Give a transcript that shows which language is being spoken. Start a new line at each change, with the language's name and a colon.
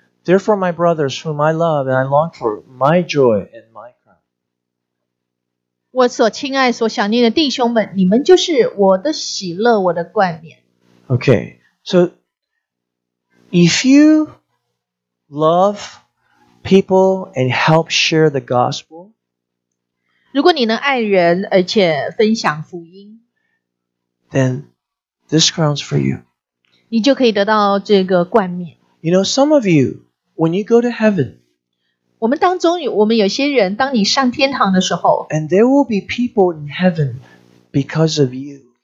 English: Therefore, my brothers, whom I love and I long for, my joy and my crown.
Chinese: 我所亲爱所想念的弟兄们，你们就是我的喜乐，我的冠冕。
English: Okay, so if you love people and help share the gospel,
Chinese: 如果你能爱人而且分享福音,
English: then this crown's for you.
Chinese: 你就可以得到这个冠冕.
English: You know, some of you, when you go to heaven,
Chinese: 我们当中有些人当你上天堂的时候,
English: and there will be people in heaven because of you.